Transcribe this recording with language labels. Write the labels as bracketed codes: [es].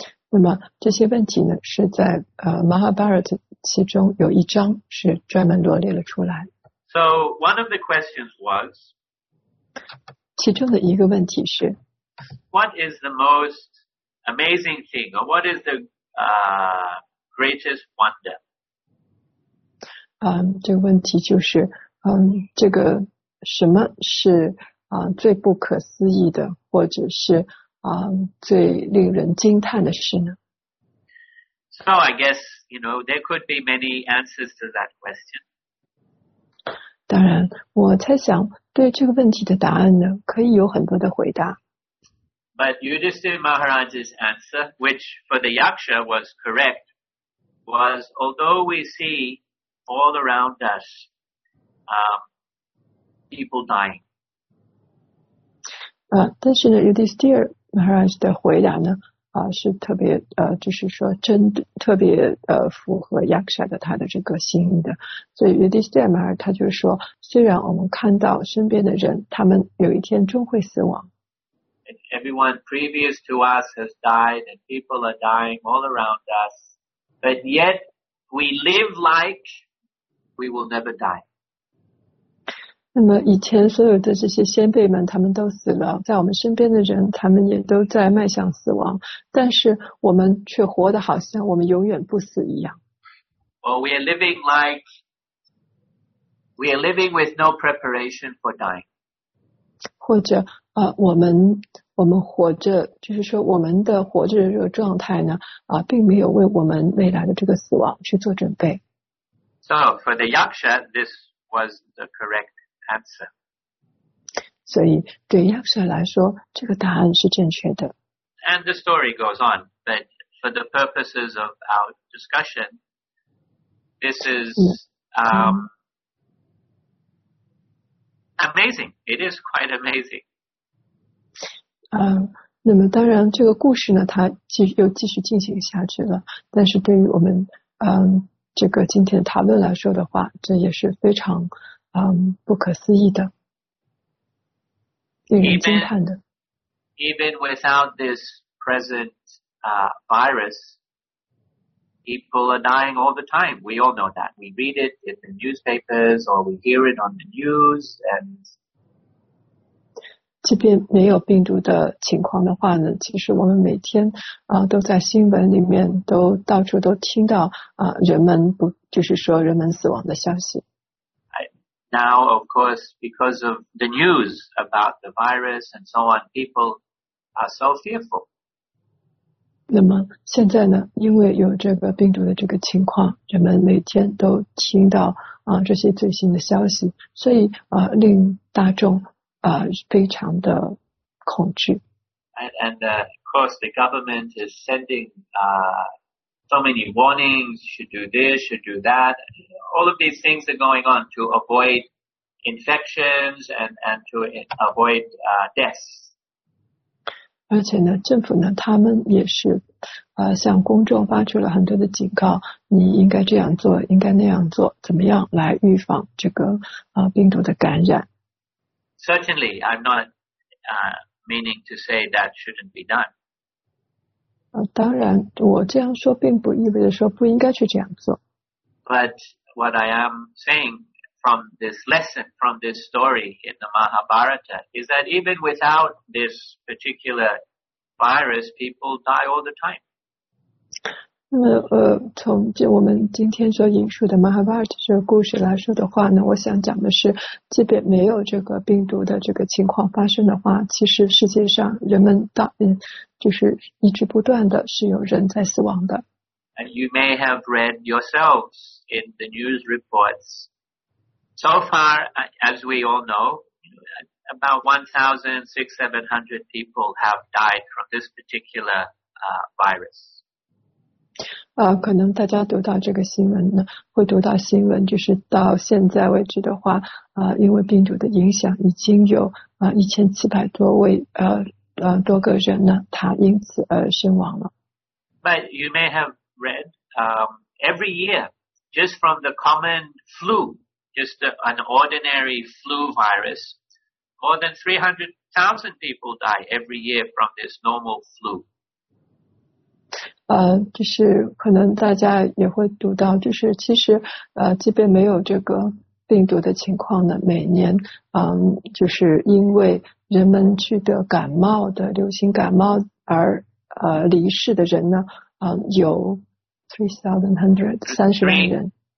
[zh] 那么这些问题呢，是在Mahabharata 其中有一章是专门罗列了出来。 [en] So one of the questions was, [zh] 其中的一个问题是 [en] What is the most amazing thing, or what is the greatest wonder? [zh] 这个问题就是这个什么是最不可思议的，或者是最令人惊叹的事呢？ [en] So I guess, you know, there could be many answers to that question. [zh] 当然，我猜想对这个问题的答案呢，可以有很多的回答。 [en] But Yudhisthira Maharaj's answer, which for the Yaksha was correct, was although we seeall around us, people dying. [zh] 但是呢 ,Yudhisthira Maharaj 的回答呢是特别就是说真的特别符合 Yaksha 的他的这个心意的。所以 Yudhisthira Maharaj 他就是说虽然我们看到身边的人他们有一天终会死亡。 [en] Everyone previous to us has died and people are dying all around us, but yet we live like we will never die. [zh] 那么以前所有的这些先辈们他们都死了，在我们身边的人他们也都在迈向死亡，但是我们却活得好像我们永远不死一样。 [en] Well, we are living like we are living with no preparation for dying. [zh] 或者我们活着，就是说我们的活着的这个状态呢并没有为我们未来的这个死亡去做准备。 [en] So, for the Yaksha, this was the correct answer. [zh] 所以对 Yaksha 来说这个答案是正确的。 [en] And the story goes on, but for the purposes of our discussion, this is, amazing. It is quite amazing. [zh] 那么当然这个故事呢它继续进行下去了，但是对于我们这个今天的讨论来说的话，这也是非常不可思议的，令人惊叹的。 [en] Even without this present virus, people are dying all the time. We all know that. We read it in the newspapers or we hear it on the news and... [zh] 即便没有病毒的情况的话呢，其实我们每天都在新闻里面都到处都听到人们不就是说人们死亡的消息。 [en] Now, of course, because of the news about the virus and so on, people are so fearful. [zh] 那么现在呢，因为有这个病毒的这个情况，人们每天都听到这些最新的消息，所以令大众非常的恐惧。 [en] And of course the government is sending so many warnings, should do this, should do that. All of these things are going on to avoid infections and to avoid deaths. [zh] 而且呢政府呢他们也是向公众发出了很多的警告，你应该这样做，应该那样做，怎么样来预防这个病毒的感染。 [en] Certainly, I'm not meaning to say that shouldn't be done. [zh] 当然，我这样说并不意味着说不应该去这样做。 [en] But what I am saying from this lesson, from this story in the Mahabharata, is that even without this particular virus, people die all the time. [zh] 那么从我们今天所引述的 Mahabharata 这个故事来说的话呢，我想讲的是即便没有这个病毒的这个情况发生的话，其实世界上人们就是一直不断的是有人在死亡的。 [en] And you may have read yourselves in the news reports. So far, as we all know, about 1,600-1,700 people have died from this particular virus. [zh] 可能大家读到这个新闻呢，会读到新闻，就是到现在为止的话，因为病毒的影响，已经有1700多位多个人呢，他因此而身亡了。 [en] But you may have read, every year, just from the common flu, just an ordinary flu virus, more than 300,000 people die every year from this normal flu. [zh] 就是可能大家也会读到，就是其实即便没有这个病毒的情况呢，每年就是因为人们去得感冒的流行感冒而离世的人呢，有3,130人。